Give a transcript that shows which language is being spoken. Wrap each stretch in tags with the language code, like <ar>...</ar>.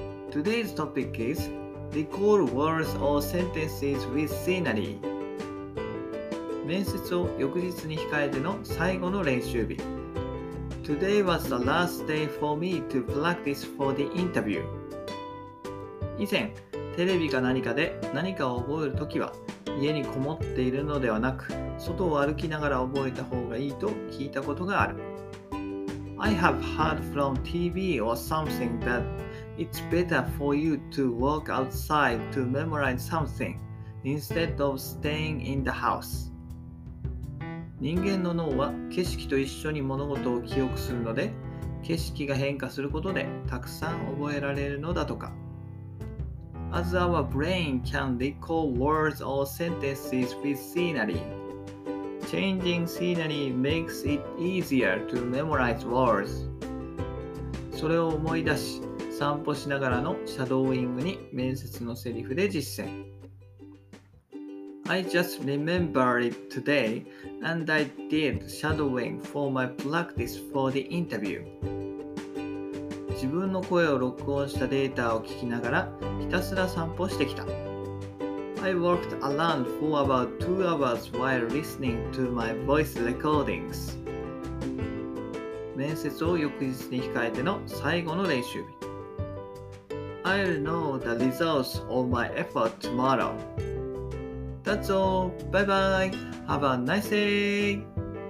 <en>Today's topic is recall words or sentences with scenery.</en> <ja>面接を翌日に控えての最後の練習日。</ja> <en>Today was the last day for me to practice for the interview.</en> <ja>以前、テレビか何かで何かを覚えるときは、家にこもっているのではなく、外を歩きながら覚えた方がいいと聞いたことがある。</ja> <en>I have heard from TV or something that it's better for you to walk outside to memorize something instead of staying in the house.</en> <ja>人間の脳は景色と一緒に物事を記憶するので、景色が変化することでたくさん覚えられるのだとか。</ja> <en>As our brain can recall words or sentences with scenery. Changing scenery makes it easier to memorize words.</en> <ja>それを思い出し、散歩しながらのシャドーイングに面接のセリフで実践。</ja> <en>I just remembered it today and I did shadowing for my practice for the interview.</en> <ja>自分の声を録音したデータを聞きながらひたすら散歩してきた。</ja> <en>I walked around for about 2 hours while listening to my voice recordings.</en> <ja>面接を翌日に控えての最後の練習日。</ja> <en>I'll know the results of my effort tomorrow. That's all. Bye bye. Have a nice day.</en>